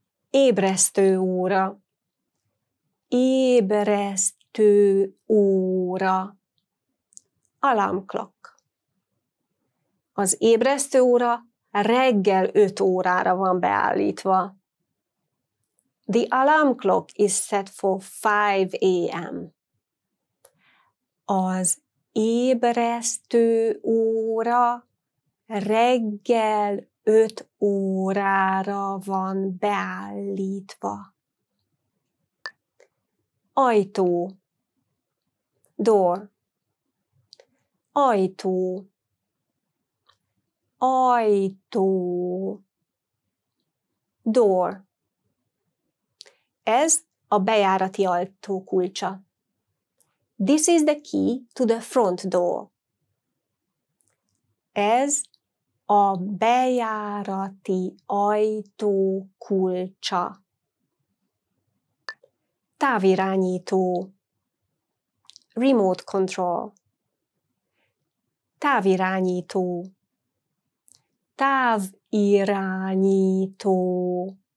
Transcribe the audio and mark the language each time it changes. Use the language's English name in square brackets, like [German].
[Hungarian] Ébresztő óra. Ébresztő óra. Alarm clock. Az ébresztő óra reggel 5 órára van beállítva. [English] The alarm clock is set for 5 a.m. [Hungarian] Az ébresztő óra reggel 5 órára van beállítva. Ajtó. Door. Ajtó. Ajtó. Door. Ez a bejárati ajtó kulcsa. [English] This is the key to the front door. [Hungarian] Ez a bejárati ajtó kulcsa. Távirányító. Remote control. Távirányító. Távirányító.